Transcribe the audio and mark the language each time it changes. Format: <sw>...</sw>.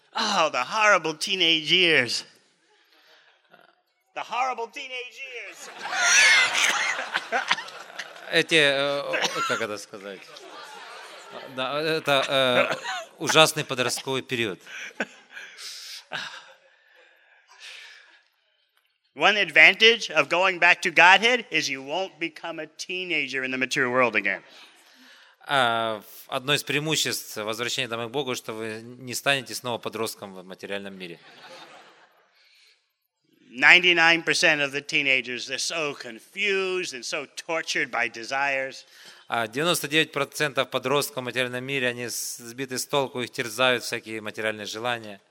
<en>Oh, the horrible teenage years. The horrible teenage years.</en> <ru>Эти, как это сказать? Да, это ужасный подростковый период.</ru> <en>One advantage of going back to Godhead is you won't become a teenager in the material world again.</en> <ru>Одно из преимуществ возвращения домой к Богу, что вы не станете снова подростком в материальном мире.</ru> <en>99% of the teenagers, they're so confused and so tortured by desires.</en> <ru>99% подростков в материальном мире, они сбиты с толку, их терзают всякие материальные желания.</ru>